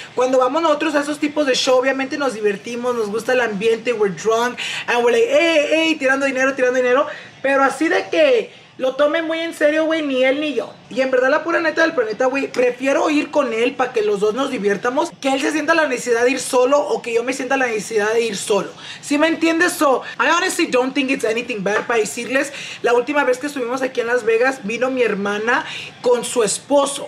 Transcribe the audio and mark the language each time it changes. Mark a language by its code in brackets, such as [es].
[es] Cuando vamos nosotros a esos tipos de show, obviamente nos divertimos, nos gusta el ambiente, [en] we're drunk, and we're like, hey, hey, [es] tirando dinero, pero así de que lo tome muy en serio, güey, ni él ni yo. Y en verdad, la pura neta del planeta, güey, prefiero ir con él para que los dos nos divirtamos, que él se sienta la necesidad de ir solo o que yo me sienta la necesidad de ir solo. ¿Sí me entiendes? [en] So, I honestly don't think it's anything bad. [es] Para decirles, la última vez que estuvimos aquí en Las Vegas, vino mi hermana con su esposo.